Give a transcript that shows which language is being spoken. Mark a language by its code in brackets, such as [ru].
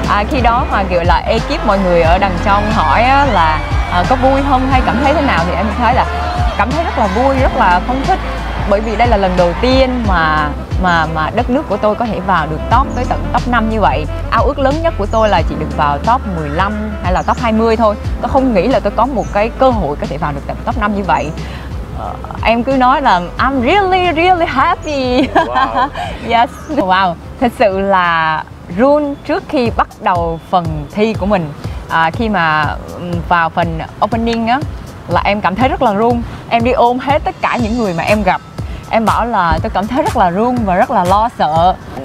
[vi] Khi đó mà kiểu là ekip mọi người ở đằng trong hỏi là có vui không hay cảm thấy thế nào, thì em thấy là cảm thấy rất là vui, rất là phấn khích, bởi vì đây là lần đầu tiên mà đất nước của tôi có thể vào được top tới tận top 5 như vậy. Ao ước lớn nhất của tôi là chỉ được vào top 15 hay là top 20 thôi. Tôi không nghĩ là tôi có một cái cơ hội có thể vào được tận top 5 như vậy. Em cứ nói là [en] I'm really really happy. Wow. Yes. Wow. [vi] Thật sự là run trước khi bắt đầu phần thi của mình, khi mà vào phần opening á, là em cảm thấy rất là run. Em đi ôm hết tất cả những người mà em gặp, em bảo là tôi cảm thấy rất là run và rất là lo sợ.